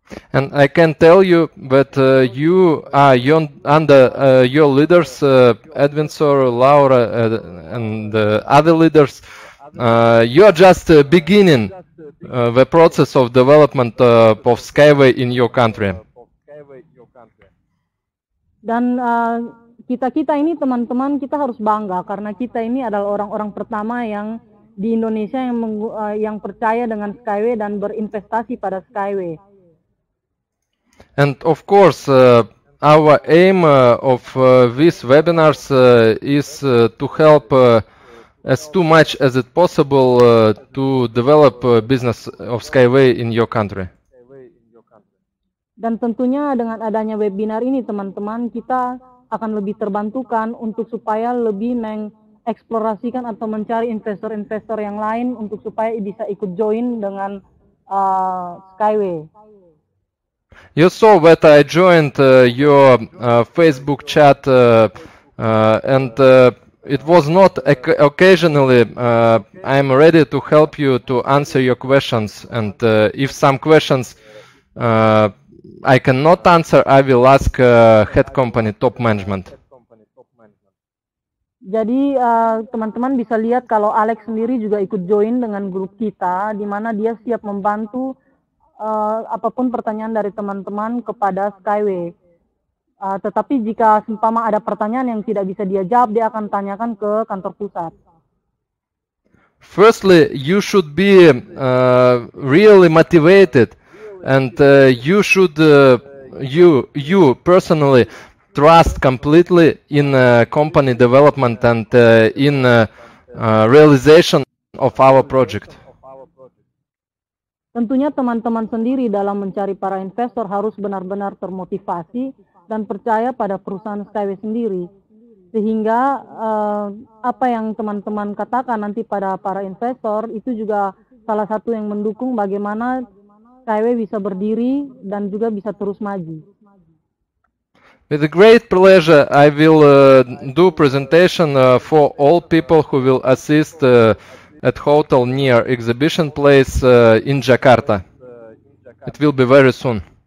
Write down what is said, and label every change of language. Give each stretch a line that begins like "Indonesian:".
English: And I can tell you that you are under your leaders, Edvinsor, Laura, and the other leaders, you are just beginning the process of development of Skyway in your country.
Indonesian: Dan kita-kita ini, teman-teman, kita harus bangga karena kita ini adalah orang-orang pertama yang di Indonesia yang percaya dengan Skyway dan berinvestasi pada Skyway.
English: And of course, our aim of these webinars is to help as too much as it possible to develop business of Skyway in your country.
Indonesian: Dan tentunya dengan adanya webinar ini, teman-teman, kita akan lebih terbantukan untuk supaya lebih mengeksplorasikan atau mencari investor-investor yang lain untuk supaya bisa ikut join dengan Skyway.
English: You saw that I joined your Facebook chat and it was not occasionally. I'm ready to help you to answer your questions, and if some questions I cannot answer, I will ask head company top management.
Indonesian: Jadi teman-teman bisa lihat kalau Alex sendiri juga ikut join dengan grup kita, di mana dia siap membantu apapun pertanyaan dari teman-teman kepada Skyway. Tetapi jika seumpama ada pertanyaan yang tidak bisa dia jawab, dia akan tanyakan ke kantor pusat.
English: Firstly, you should be really motivated, and you should you personally trust completely in company development and in realization of our project.
Indonesian: Tentunya teman-teman sendiri dalam mencari para investor harus benar-benar termotivasi dan percaya pada perusahaan Skyway sendiri. Sehingga apa yang teman-teman katakan nanti pada para investor itu juga salah satu yang mendukung bagaimana Skyway bisa berdiri dan juga bisa terus maju.
English: With a great pleasure, I will do presentation for all people who will assist at hotel near exhibition place in Jakarta. It will be very soon.